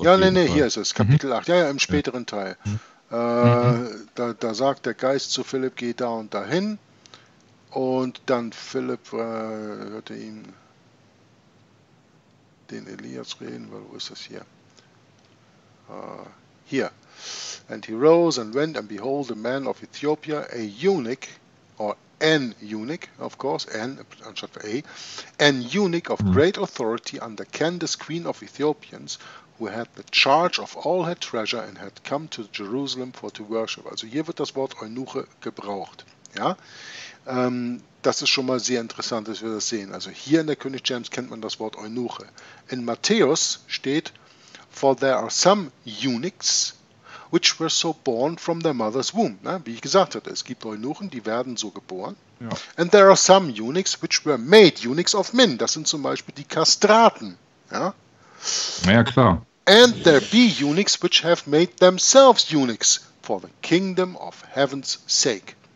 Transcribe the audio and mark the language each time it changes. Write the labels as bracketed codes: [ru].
[de] Ja, nee, nee, hier ist es. Kapitel 8. Ja, ja, im späteren Teil. Da sagt der Geist zu Philipp, geh da und dahin. Und dann Philipp hörte ihm den Elias reden, weil wo ist das hier? Hier. [en] And he rose and went and behold a man of Ethiopia, a eunuch, or an eunuch, of course, an, [de] anstatt für [en] a, an eunuch of great authority under Candace, queen of Ethiopians, who had the charge of all her treasure and had come to Jerusalem for to worship. [de] Also hier wird das Wort Eunuche gebraucht. Ja, das ist schon mal sehr interessant, dass wir das sehen. Also hier in der König James kennt man das Wort Eunuche. In Matthäus steht, [en] for there are some eunuchs, which were so born from their mother's womb. [de] Ne? Wie ich gesagt hatte, es gibt Eunuchen, die werden so geboren. Ja. [en] And there are some eunuchs, which were made eunuchs of men. [de] Das sind zum Beispiel die Kastraten. Ja, na ja, klar. [en] And there be eunuchs, which have made themselves eunuchs for the kingdom of heaven's sake.